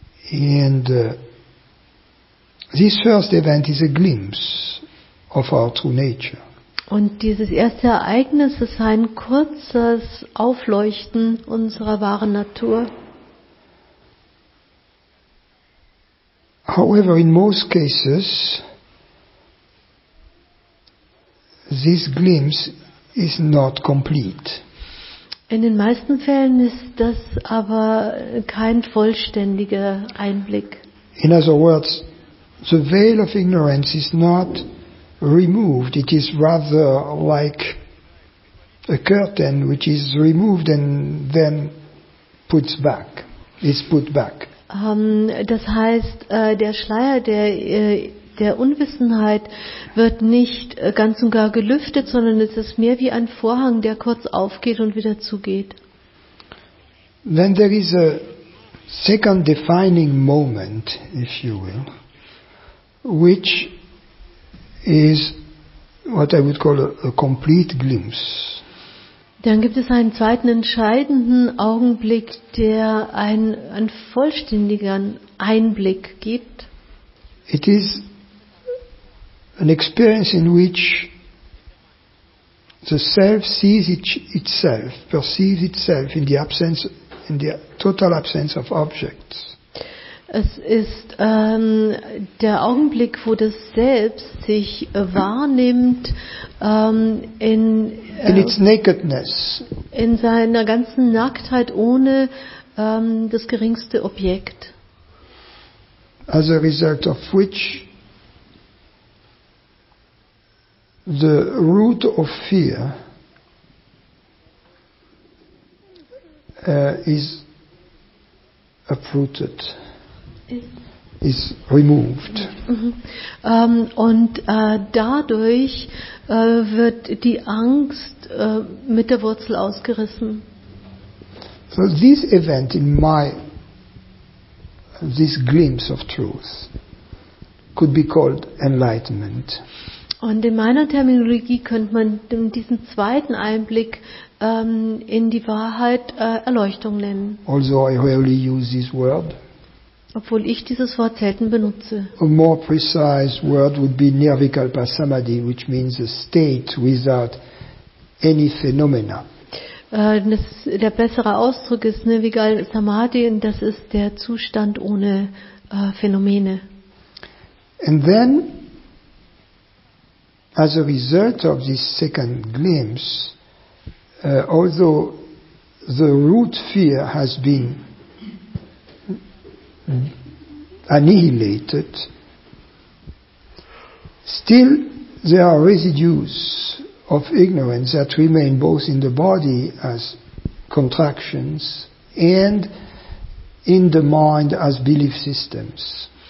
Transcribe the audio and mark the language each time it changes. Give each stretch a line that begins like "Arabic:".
English: And this first event is a glimpse of our true nature.
German: Und dieses erste Ereignis ist ein kurzes Aufleuchten unserer wahren Natur.
English: However, in most cases, this glimpse is not complete.
German: In den meisten Fällen ist das aber kein vollständiger Einblick.
English: In other words, the veil of ignorance is not removed. It is rather like a curtain which is removed and then puts back. Is put back.
German: Das heißt, der Schleier der Unwissenheit wird nicht ganz und gar gelüftet, sondern es ist mehr wie ein Vorhang, der kurz aufgeht und wieder zugeht.
English: Then there is a second defining moment, if you will, which is what I would call a complete glimpse.
German: Dann gibt es einen zweiten entscheidenden Augenblick, der einen vollständigen Einblick gibt.
English: It is an experience in which the self sees itself, perceives itself in the absence, in the total absence of objects.
German: Es ist der Augenblick, wo das Selbst sich wahrnimmt in
English: its nakedness,
German: in seiner ganzen Nacktheit ohne das geringste Objekt.
English: As a result of which the root of fear is uprooted. Is removed.
German: Und dadurch wird die Angst mit der Wurzel ausgerissen.
English: So this event in my this glimpse of truth could be called enlightenment.
German: Und in meiner Terminologie könnte man diesen zweiten Einblick in die Wahrheit Erleuchtung nennen.
English: Although I rarely use this word.
German: Obwohl ich dieses Wort selten benutze.
English: A more precise word would be nirvikalpa samadhi, which means a state without any phenomena.
German: Der bessere Ausdruck ist nirvikal samadhi, und das ist der Zustand ohne Phänomene.
English: And then, as a result of this second glimpse, although the root fear has been annihilated, still there are residues of ignorance that remain both in the body as contractions and in the mind as belief systems.